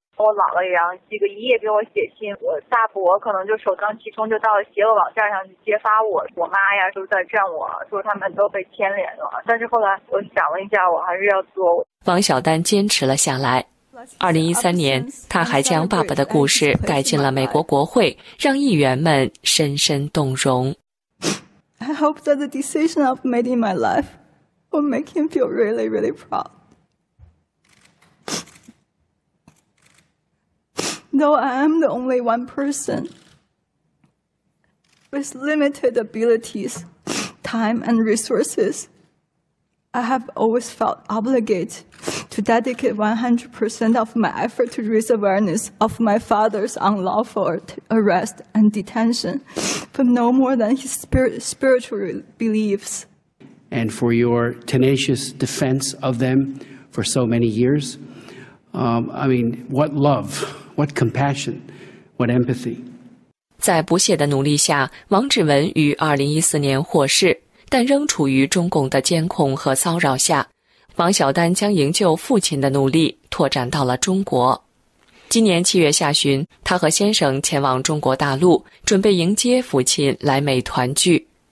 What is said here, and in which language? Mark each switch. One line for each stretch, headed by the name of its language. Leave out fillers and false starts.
Chinese: 我姥姥也几个一夜给我写信，我大伯可能就首当其冲就到邪恶网站上去揭发我，我妈呀都在站我，说他们都被牵连了。但是后来我想了一下，我还是要做。王小丹坚持了下来。 2013年，他还将爸爸的故事带进了美国国会，让议员们深深动容。
English: I hope that the decision I've made in my life will make him feel really, really proud. Though I am the only one person with limited abilities, time and resources, I have always felt obligated to dedicate 100% of my effort to raise awareness of my father's unlawful arrest and detention for no more than his spiritual beliefs. And for your tenacious defense of them for so many years, what love. What compassion, what empathy.
Chinese: 在不懈的努力下，王志文于2014年获释，但仍处于中共的监控和骚扰下。王小丹将营救父亲的努力拓展到了中国。今年7月下旬，他和先生前往中国大陆，准备迎接父亲来美团聚。